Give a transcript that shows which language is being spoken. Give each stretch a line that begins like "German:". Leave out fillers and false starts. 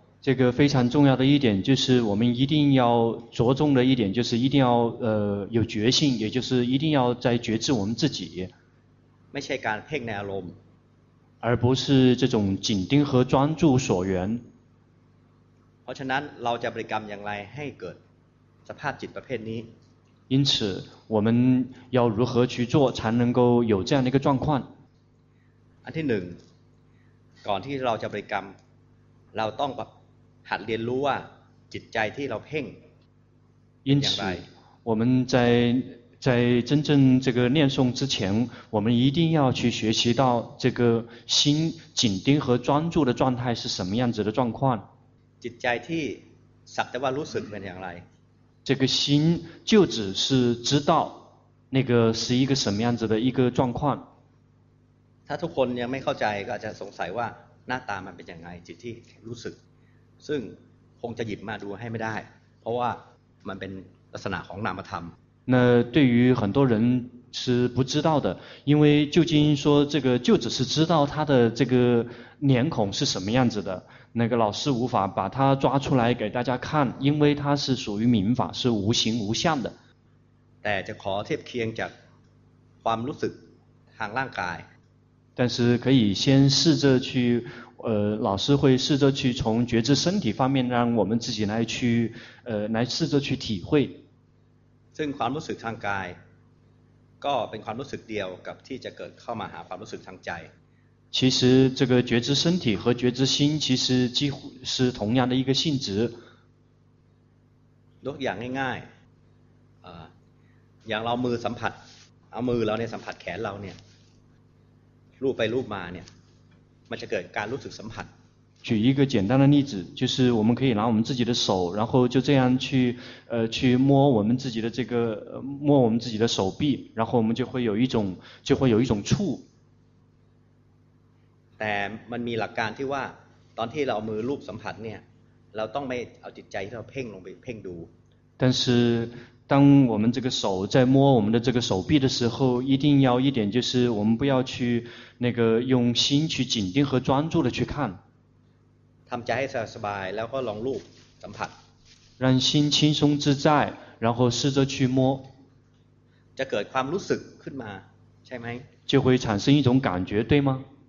Chinese: 这个非常重要的一点就是我们一定要着重的一点就是一定要有觉性也就是一定要在觉知我们自己
Thai: ไม่ใช่การเพ่งในอารมณ์
Chinese: 而不是这种紧盯和专注所缘。
Thai: เพราะฉะนั้นเราจะบริกรรมอย่างไรให้เกิดสภาพจิตประเภทนี้
Chinese: 因此我们要如何去做才能够有这样的一个状况
Thai: อันที่หนึ่งก่อนที่เราจะบริกรรมเราต้องหัดเรียนรู้ว่าจิตใจที่เราเพ่ง
Chinese: 因此我们在真正这个念诵之前我们一定要去学习到这个心紧盯和专注的状态是什么样子的状况
Thai: จิตใจที่สักแต่ว่ารู้สึกเป็นอย่างไร
Chinese: 这个心就只是知道那个是一个什么样子的一个状况
Thai: ถ้าทุกคนยังไม่เข้าใจก็อาจจะสงสัยว่าหน้าตามันเป็นยังไงจิตที่รู้สึกซึ่งคงจะหยิบมาดูให้ไม่ได้เพราะว่ามันเป็นลักษณะของนามธรรม
Chinese: 那对于很多人是不知道的因为究竟说这个就只是知道他的这个脸孔是什么样子的那个老师无法把他抓出来给大家看因为他是属于明法是无形无相的
Thai: แต่จะขอเทียบเคียงจากความรู้สึกทางร่างกาย
Chinese: 但是可以先试着去老师会试着去从觉知身体方面让我们自己来去来试着去体会
Thai: ซึ่งความรู้สึกทางกายก็เป็นความรู้สึกเดียวกับที่จะเกิดเข้ามาหาความรู้สึกทางใจ
Chinese: 其实这个觉知身体和觉知心其实几乎是同样的一个性质
Thai: ยกอย่างง่ายๆอย่างเรามือสัมผัสเอามือเราเนี่ยสัมผัสแขนเราเนี่ยลูบไปลูบมาเนี่ยมันจะเกิดการรู้สึกสัมผัส
Chinese: 举一个简单的例子，就是我们可以拿我们自己的手，然后就这样去，去摸我们自己的这个，摸我们自己的手臂，然后我们就会有一种触。
Thai: แต่มันมีหลักการที่ว่าตอนที่เราเอามือลูบสัมผัสเนี่ยเราต้องไม่เอาจิตใจที่เราเพ่งลงไปเพ่งดู。
Chinese: 但是当我们这个手在摸我们的这个手臂的时候，一定要一点就是我们不要去那个用心去紧盯和专注的去看。
Thai: ทำใจให้สบายแล้วก็ลองรูปสัมผัส
Chinese: 让心轻松自在然后试着去摸
Thai: จะเกิดความรู้สึกขึ้นมาใช่ไหม
Chinese: 就会产生一种感觉对吗